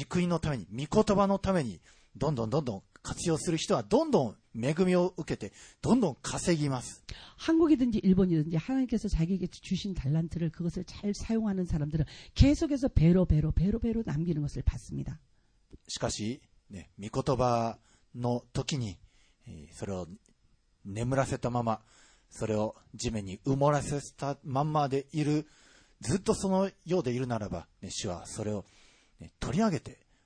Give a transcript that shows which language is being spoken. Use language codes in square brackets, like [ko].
[ja] この主から与えられているタラントを有効に活用して御国のために御言葉のために どんどんどんどん活用する人はどんどん恵みを受けてどんどん稼ぎます。 [ko] 한국이든지 일본이든지 하나님께서 자기에게 주신 달란트를 그것을 잘 사용하는 사람들은 계속해서 배로 남기는 것을 봤습니다. [ja] しかし、御言葉の時にそれを眠らせたまま、それを地面に埋もらせたままでいる、ずっとそのようでいるならば、主はそれを取り上げて